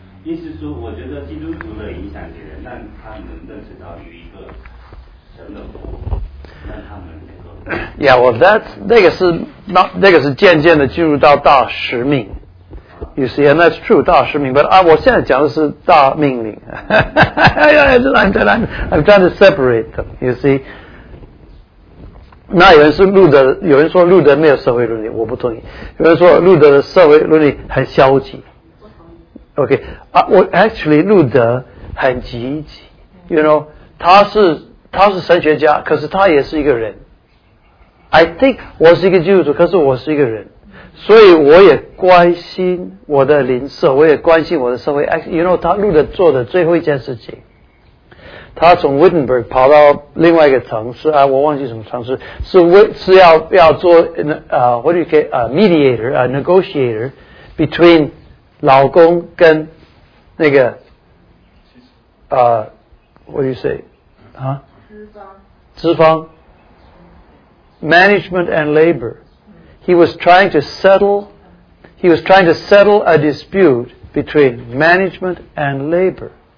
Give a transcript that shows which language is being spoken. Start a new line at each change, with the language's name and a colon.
Chinese: 意思说我觉得基督徒的影响别人，让他们认识到有一个神的国，让他们能够
English: Yeah, well, that's,
Chinese: 那个是
English: not,
Chinese: 那个是渐渐的进入到大使命。
English: You see, and that's true,
Chinese: 大使命。
English: But
Chinese: 我现在讲的是大命令。
English: I'm trying to separate them, you see.
Chinese: 那有人是路德，有人说路德没有社会伦理，我不同意。有人说路德的社会伦理很消极。
English: OK,
Chinese: 我
English: actually
Chinese: 路德很积极。
English: You know,
Chinese: 他是神学家，可是他也是一个人。
English: I think
Chinese: 我是一个基督徒，可是我是一个人。所以我也关心我的邻舍，我也关心我的社会。
English: You know,
Chinese: 他路德做的最后一件事情。他从 Wittenberg 跑到另外一个城市，啊，我忘记什么城市，是要做
English: what do you call mediator, negotiator
Chinese: between 老公跟那个
English: what do you say
Chinese: 啊？资方
English: management and labor. He was trying to settle a dispute between management and labor.